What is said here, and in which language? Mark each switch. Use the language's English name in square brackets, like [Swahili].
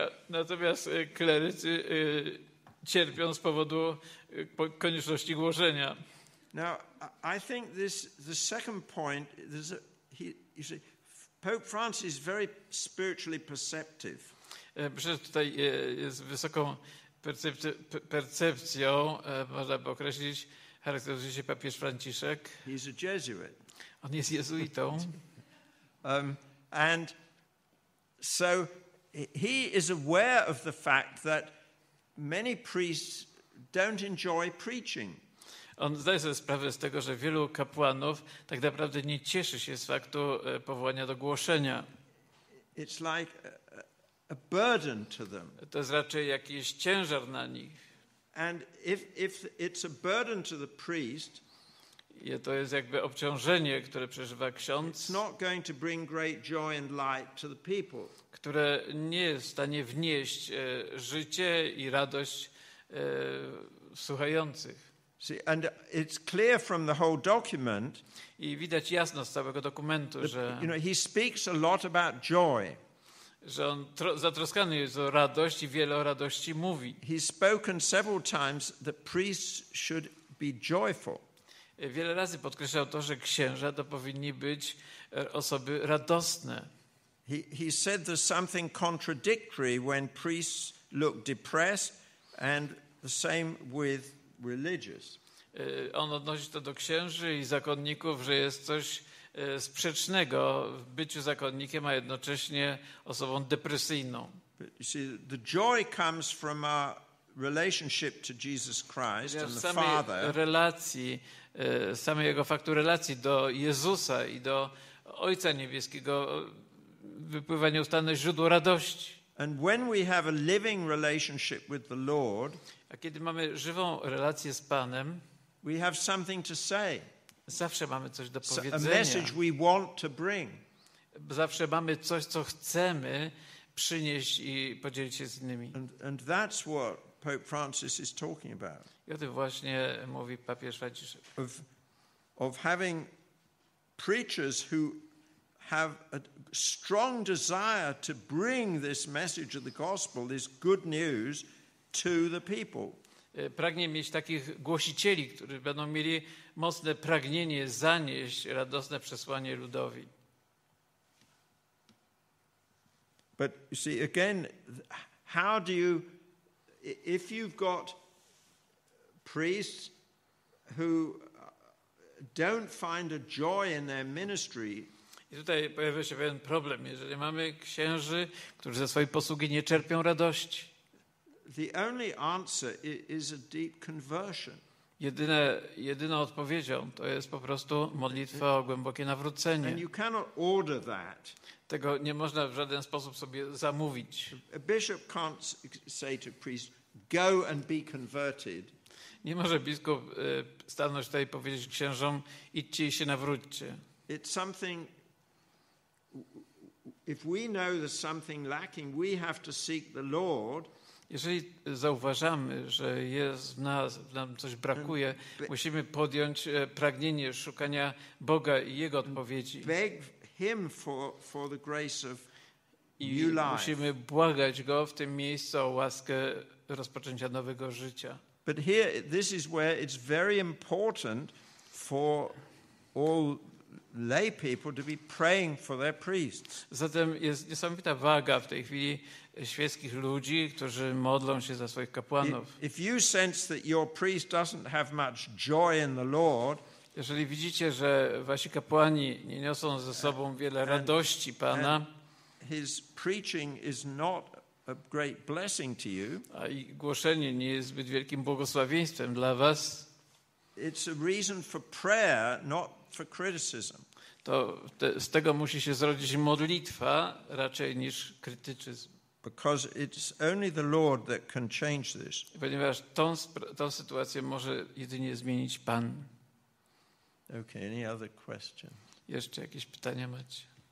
[Polish] Natomiast klerycy cierpią z powodu konieczności głoszenia. [English] Now, I think the second point is Pope Francis is very spiritually perceptive. [Polish] Przecież tutaj jest wysoką percepcją, można by określić, charakteryzuje się papież Franciszek. [English] He's a Jesuit. [Polish] On jest jezuitą. [English] And so he is aware of the fact that many priests don't enjoy preaching. [Polish] On zdaje sobie sprawę z tego, że wielu kapłanów tak naprawdę nie cieszy się z faktu powołania do głoszenia. [English] It's like a burden to them. [Polish] To jest raczej jakiś ciężar na nich. [English] And if it's a burden to the priest, [Polish] I to jest jakby obciążenie, które przeżywa ksiądz. [English] It's not going to bring great joy and light to the people. [Polish] Które nie jest w stanie wnieść życie i radość słuchających. [English] See, and it's clear from the whole document. [Polish] I widać jasno z całego dokumentu, że [English] you know, he speaks a lot about joy. [Polish] Że on zatroskany jest o radość i wiele o radości mówi. [English] He's spoken several times that priests should be joyful. [Polish] Wiele razy podkreślał to, że księża to powinni być osoby radosne. [English] He said there's something contradictory when priests look depressed, and the same with religious. [Polish] On odnosi to do księży i zakonników, że jest coś sprzecznego w byciu zakonnikiem, a jednocześnie osobą depresyjną. [English] See, the joy comes from our relationship to Jesus Christ and the Father. [Polish] Samej jego faktu relacji do Jezusa i do Ojca Niebieskiego wypływa nieustanne źródło radości. [English] And when we have a living relationship with the Lord, [Polish] a kiedy mamy żywą relację z Panem, [English] we have something to say. [Polish] Zawsze mamy coś do powiedzenia. [English] A message we want to bring. [Polish] Zawsze mamy coś, co chcemy przynieść i podzielić się z innymi. [English] And that's what Pope Francis is talking about. [Polish] I o tym właśnie mówi papież Franciszek. [English] Of having preachers who have a strong desire to bring this message of the gospel, this good news, to the people. [Polish] Pragnie mieć takich głosicieli, którzy będą mieli mocne pragnienie zanieść radosne przesłanie ludowi. [English] But you see, again, how do you, if you've got priests who don't find a joy in their ministry. [Polish] I tutaj pojawia się pewien problem, jeżeli mamy księży, którzy ze swojej posługi nie czerpią radości. [English] The only answer is a deep conversion. [Polish] Jedyną odpowiedzią to jest po prostu modlitwa o głębokie nawrócenie. [English] And you cannot order that. [Polish] Tego nie można w żaden sposób sobie zamówić. [English] A bishop can't say to priest, go and be converted. [Polish] Nie może biskup stanąć tutaj i powiedzieć księżom, idźcie i się nawróćcie. [English] It's something, if we know there's something lacking, we have to seek the Lord. [Polish] Jeżeli zauważamy, że jest w nas, nam coś brakuje, musimy podjąć pragnienie szukania Boga i Jego odpowiedzi. [English] Beg him for the grace of new life. [Polish] Musimy błagać Go w tym miejscu o łaskę rozpoczęcia nowego życia. [English] But here, this is where it's very important for all lay people to be praying for their priests. [Polish] Zatem jest niesamowita waga w tej chwili świeckich ludzi, którzy modlą się za swoich kapłanów. [English] If you sense that your priest doesn't have much joy in the Lord, [Polish] jeżeli widzicie, że wasi kapłani nie niosą ze sobą wiele radości Pana, [English] his preaching is not a great blessing to you. [Polish] A głoszenie nie jest zbyt wielkim błogosławieństwem dla was. [English] It's a reason for prayer, not for criticism. [Polish] To z tego musi się zrodzić modlitwa raczej niż krytycyzm. [English] Because it's only the Lord that can change this. [Polish] Ponieważ tą sytuację może jedynie zmienić Pan. [English] Okay, any other question? [Polish] Jeszcze jakieś pytania macie?